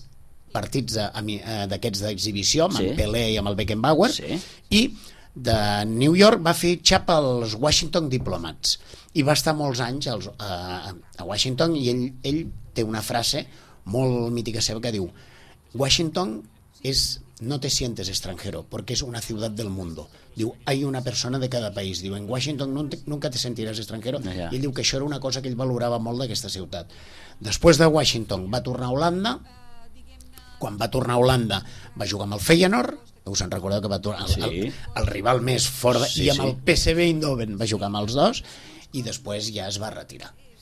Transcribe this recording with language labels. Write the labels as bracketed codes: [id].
[ca] Uns partits d'aquests d'exhibició, amb el Pelé i amb el Beckenbauer, i de New York va fitxar pels Washington Diplomats, i va estar molts anys a Washington, i ell té una frase molt mítica seva que diu: Washington es, [es] no te sientes extranjero porque es una ciudad del mundo. Diu, hay una persona de cada país. Diu, en Washington nunca te sentirás extranjero. [ca] I ell diu que això era una cosa que ell valorava molt d'aquesta ciutat. Després de Washington va tornar a Holanda. Quan va tornar a Holanda va jugar amb el Feyenoord. Us en recordeu que va tornar el rival més fort de... I amb el PSV Eindhoven va jugar amb els dos. I després ja es va retirar.